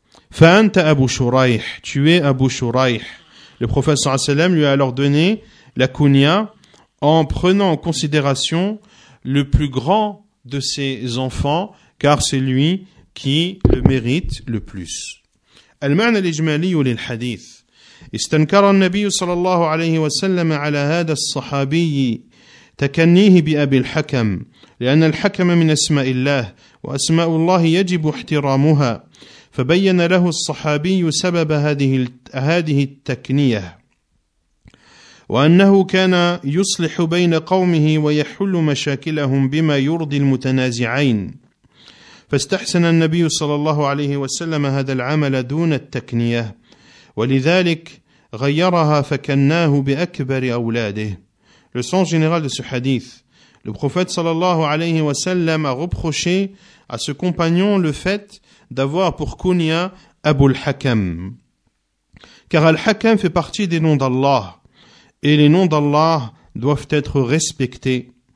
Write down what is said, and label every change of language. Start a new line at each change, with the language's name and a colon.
Arabic: Fa'anta Abu Shuraih,
French: tu es Abu Shuraih. Le prophète sallallahu alayhi wa sallam lui a alors donné la kunya en prenant en considération le plus grand de ses enfants, car c'est lui qui le mérite le plus.
Arabic: Al-ma'na al-ijmali lil hadith. استنكر النبي صلى الله عليه وسلم على هذا الصحابي تكنيه بأبي الحكم لأن الحكم من أسماء الله وأسماء الله يجب احترامها فبين له الصحابي سبب هذه التكنية وأنه كان يصلح بين قومه ويحل مشاكلهم بما يرضي المتنازعين فاستحسن النبي صلى الله عليه وسلم هذا العمل دون التكنية ولذلك غيرها فكناه بأكبر أولاده.
French: Le sens général de ce hadith, le prophète sallallahu alayhi wa sallam a reproché à ce compagnon le fait d'avoir pour kunya Abu al-Hakam. Car al-Hakam fait partie des noms d'Allah et les noms d'Allah doivent être respectés.